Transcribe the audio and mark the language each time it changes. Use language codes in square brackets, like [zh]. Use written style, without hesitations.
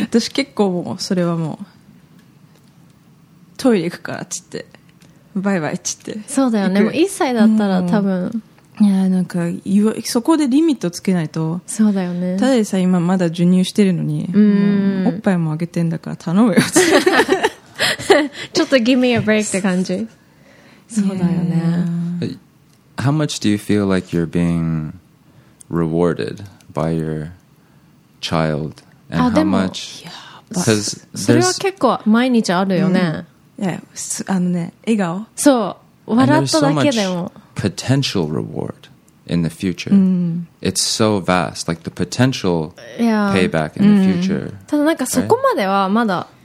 [ja] 私結構もうそれはもうトイレ行くからっつってバイバイっつって、そうだよね、もう1歳だったら多分、いや、なんかそこでリミットつけないと、そうだよね、たださ今まだ授乳してるのに、うん、おっぱいもあげてんだから頼むよってちょっと [en] give me a break [ja] って感じそうだよね、 [en] How much do you feel like you're being rewarded by your child? And how much? [ja] それは結構毎日あるよね、うん、あのね、笑顔、そう、笑っただけでも、 [en] potential reward in the future、うん、 it's so vast like the potential payback in、うん、the future、 [ja] ただなんかそこまではまだ、right?